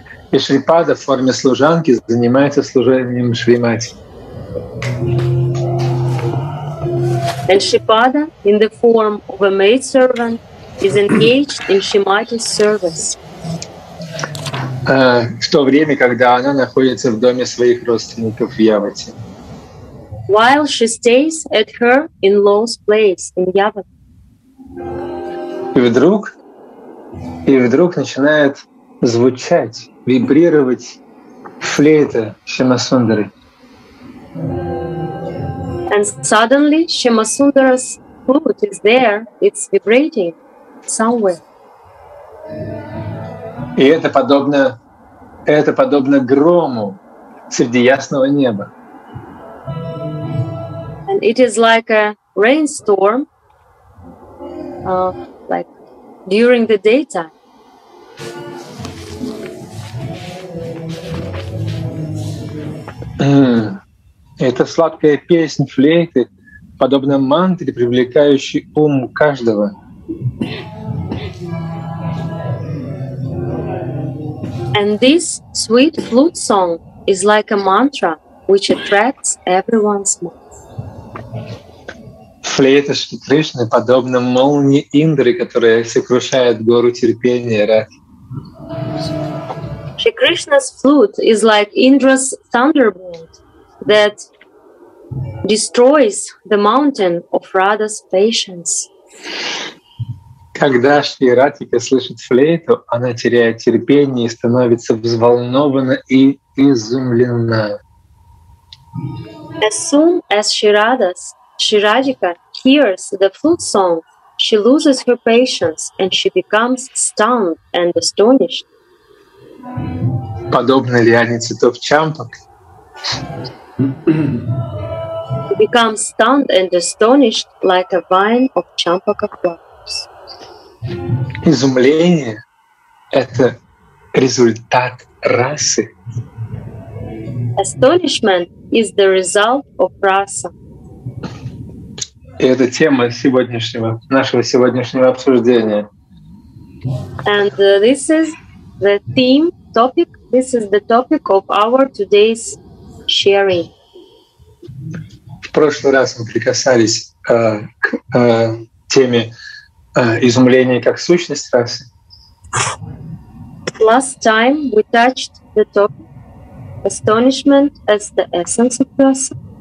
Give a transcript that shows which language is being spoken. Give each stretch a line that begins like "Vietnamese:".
Russian: И Шрипада в форме служанки занимается служением Шримати.
English: And Шрипада in the form of a maid servant is engaged in Shrimati's service.
Russian: В то время, когда она находится в доме своих родственников в Явате.
English: While she stays at her in-law's place in Yavat.
Russian: И вдруг начинает звучать, вибрировать флейта Шимасундары.
English: And suddenly Shimasundara's flute is there, it's vibrating somewhere.
Russian: И это подобно грому среди ясного неба.
English: And it is like a rainstorm, like during the daytime.
Russian: Это сладкая песня флейты, подобно мантре, привлекающей ум каждого.
English: And this sweet flute song is like a mantra, which attracts everyone's mind.
Russian: Флейта Шри Кришны подобна молнии Индры, которая сокрушает гору терпения Рати.
English: Shri Krishna's flute is like Indra's thunderbolt that destroys the mountain of Radha's patience.
Russian: Когда Шри Ратика слышит флейту, она теряет терпение и становится взволнована и изумлена.
English: As soon as Shri Radhika hears the flute song, she loses her patience and she becomes stunned and astonished.
Russian: Подобно лиане цветов чампок.
English: Become stunned and astonished like a vine of champaka flowers.
Russian: Изумление — это результат расы.
English: Astonishment is the result of rasa.
Russian: И это тема сегодняшнего нашего сегодняшнего обсуждения.
English: And this is the theme. Topic. This is the topic of our today's sharing.
Russian: В прошлый раз мы прикасались к теме изумления как сущность расы.
English: Last time we touched the topic astonishment as the essence of rasa.